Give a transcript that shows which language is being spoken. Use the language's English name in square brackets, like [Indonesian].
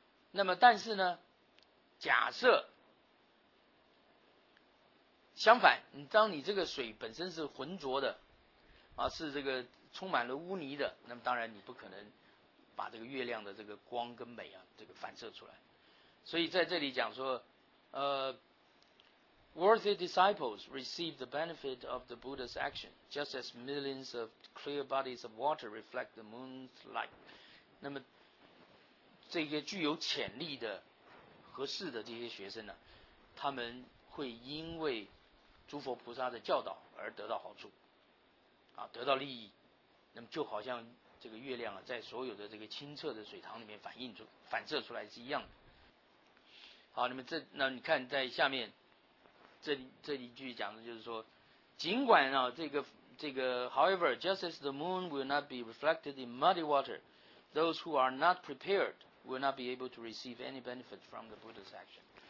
[Chinese] 那么，但是呢，假设相反，你当你这个水本身是浑浊的啊，是这个充满了污泥的，那么当然你不可能把这个月亮的这个光跟美啊，这个反射出来。所以在这里讲说， [English] worthy disciples receive the benefit of the Buddha's action, just as millions of clear bodies of water reflect the moon's light. [Chinese] 那么，这些具有潜力的、合适的这些学生呢，他们会因为诸佛菩萨的教导而得到好处，啊，得到利益。那么就好像这个月亮啊，在所有的这个清澈的水塘里面反射出来是一样的。好，那么那你看在下面。这里继续讲的就是说，尽管啊，这个 [English] ，however， just as the moon will not be reflected in muddy water， those who are not prepared will not be able to receive any benefit from the Buddha's action。